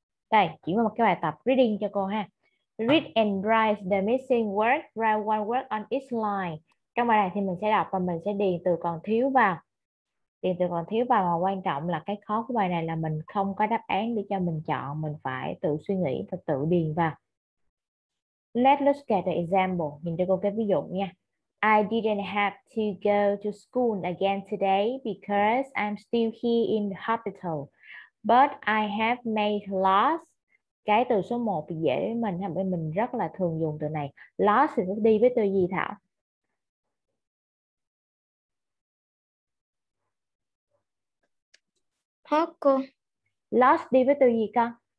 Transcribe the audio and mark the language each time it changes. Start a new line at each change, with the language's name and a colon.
Vietnamese: Đây, chỉ có một cái bài tập reading cho cô ha.
English: Read and write the missing word. Write one word on each line.
Vietnamese: Trong bài này thì mình sẽ đọc và mình sẽ điền từ còn thiếu vào. Điền từ còn thiếu vào, và quan trọng là cái khó của bài này là mình không có đáp án để cho mình chọn. Mình phải tự suy nghĩ và tự điền vào.
English: Let's look at the example.
Vietnamese: Nhìn cho cô cái ví dụ nha.
English: I didn't have to go to school again today because I'm still here in the hospital. But I have made loss.
Vietnamese: Cái từ số 1 thì dễ với mình, bởi mình rất là thường dùng từ này. Loss thì nó đi với từ gì Thảo? Thoát cô. Loss đi với từ gì con?